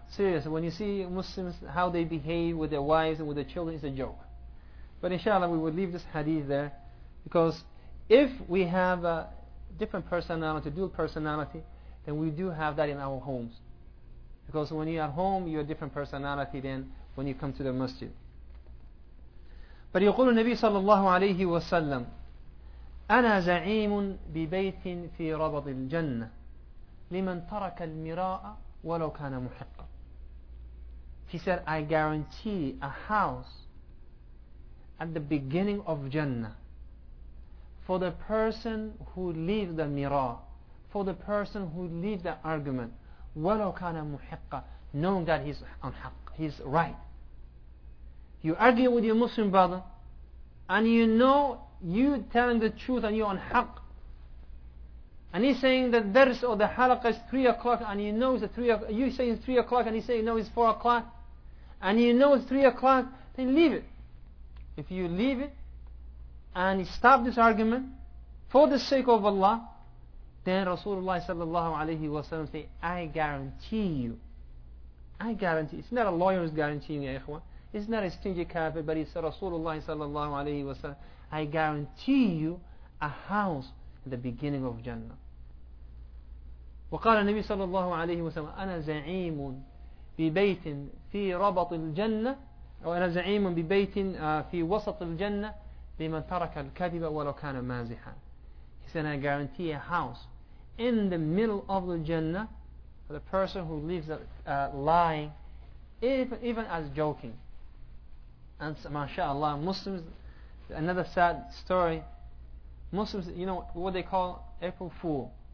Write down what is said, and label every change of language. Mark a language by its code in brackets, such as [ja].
[en] Seriously, when you see Muslims, how they behave with their wives and with their children, it's a joke. But inshallah, we will leave this hadith there. Because if we have a different personality, dual personality, then we do have that in our homes. Because when you're at home, you're a different personality than when you come to the masjid. [ar] But يقول النبي صلى الله عليه وسلم, أنا زعيم ببيت في ربض الجنة لمن ترك المراء ولو كان محقا. [en] He said, I guarantee a house at the beginning of Jannah for the person who leaves the mira, for the person who leaves the argument, [ar] ولو كان محقا, [en] knowing that he's on haq, he's right. You argue with your Muslim brother and you know you telling the truth and you're on haq, and he's saying that dars or the halaqah is 3 o'clock, and you know it's a 3 o'clock, you say it's 3 o'clock and he say no it's 4 o'clock, and you know it's 3 o'clock, then leave it. If you leave it, and stop this argument for the sake of Allah, then Rasulullah sallallahu alayhi wa sallam say, I guarantee, it's not a lawyer's guarantee, ya ikhwan, it's not a stingy kafir, but it's Rasulullah sallallahu alayhi wa sallam, I guarantee you a house at the beginning of Jannah. [ar] وقال النبي صلى الله عليه وسلم أنا زعيم ببيت في ربط الجنة أو أنا زعيم ببيت في وسط الجنة لمن ترك الكذب ولو كان مازحا. [en] He said, I guarantee a house in the middle of the Jannah for the person who lives lying, even as joking. And mashallah, Muslims, another sad story, Muslims, you know what they call April Fool.